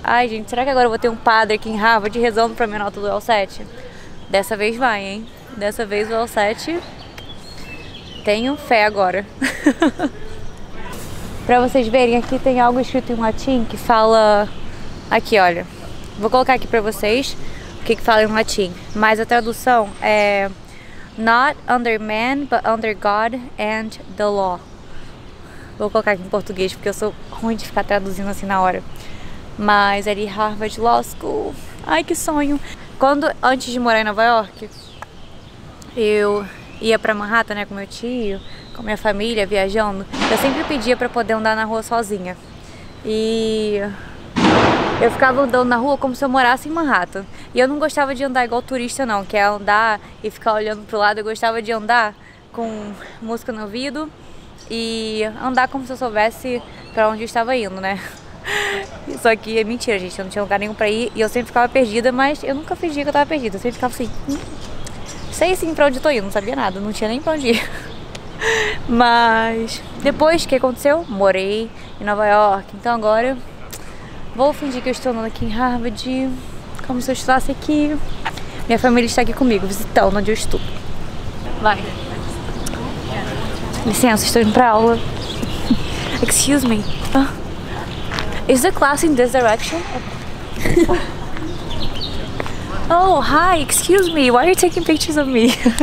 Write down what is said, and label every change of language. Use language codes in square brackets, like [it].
[pt] Ai, gente, será que agora eu vou ter um padre aqui em Harvard rezando pra minha nota do L7? Dessa vez vai, hein? Dessa vez o L7, tenho fé agora. Pra vocês verem, aqui tem algo escrito em latim que fala... Aqui, olha. Vou colocar aqui pra vocês o que fala em latim. Mas a tradução é... [en] Not under man, but under God and the law. [pt] Vou colocar aqui em português, porque eu sou ruim de ficar traduzindo assim na hora. Mas ali, Harvard Law School. Ai, que sonho. Quando, antes de morar em Nova York, eu ia pra Manhattan, né, com meu tio, com minha família, viajando. Eu sempre pedia pra poder andar na rua sozinha. E eu ficava andando na rua como se eu morasse em Manhattan. E eu não gostava de andar igual turista, não. Que é andar e ficar olhando pro lado. Eu gostava de andar com música no ouvido e andar como se eu soubesse pra onde eu estava indo, né? Só que é mentira, gente. Eu não tinha lugar nenhum pra ir. E eu sempre ficava perdida, mas eu nunca fingia que eu tava perdida. Eu sempre ficava assim... sei sim pra onde tô indo, não sabia nada, não tinha nem pra onde ir. Mas depois, o que aconteceu? Morei em Nova York, então agora vou fingir que eu estou andando aqui em Harvard, como se eu estivesse aqui. Minha família está aqui comigo, visitando onde eu estudo. Vai. Licença, estou indo pra aula. [en] Excuse me. Is the class in this direction? Oh, hi, excuse me, why are you taking pictures of me?